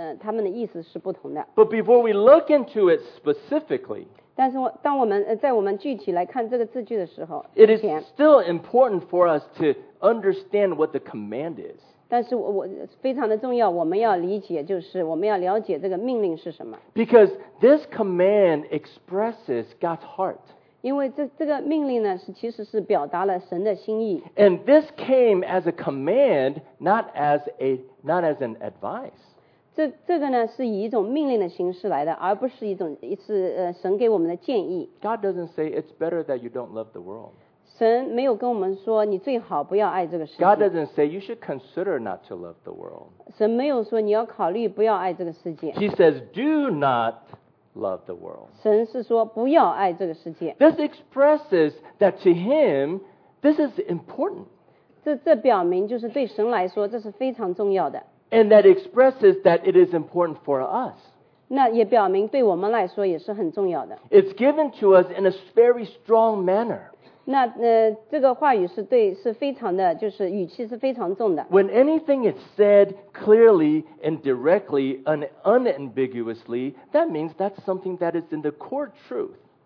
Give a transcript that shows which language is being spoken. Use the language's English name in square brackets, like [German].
[Chinese] 那我们也知道，当我们读经文的时候，我们知道有些字句呢，就是同样的字句，在不同的情况下呢，是它们的意思是不同的。 [English] But before we look into it specifically, [Chinese] 但是我们在我们具体来看这个字句的时候， [English] it is still important for us to understand what the command is. [Chinese] 但是我非常的重要，我们要理解，就是我们要了解这个命令是什么。 [English] Because this command expresses God's heart. [Chinese] 因为这个命令呢，其实是表达了神的心意。 [English] And this came as a command, not as an advice. [Chinese] 这个呢，是以一种命令的形式来的，而不是一种神给我们的建议。 [English] God doesn't say it's better that you don't love the world. [Chinese] 神没有跟我们说你最好不要爱这个世界。 [English] God doesn't say you should consider not to love the world. [Chinese] 神没有说你要考虑不要爱这个世界。 [English] He says do not love the world. [Chinese] 神是说不要爱这个世界。 [English] This expresses that to him, this is important. [Chinese] 这表明就是对神来说这是非常重要的。 [English] And that expresses that it is important for us. [Chinese] 那也表明对我们来说也是很重要的。 [English] It's given to us in a very strong manner. [Chinese] 那这个话语是非常的，就是语气是非常重的。 [English] When anything is said clearly and directly and unambiguously, that means that's something that is in the core truth.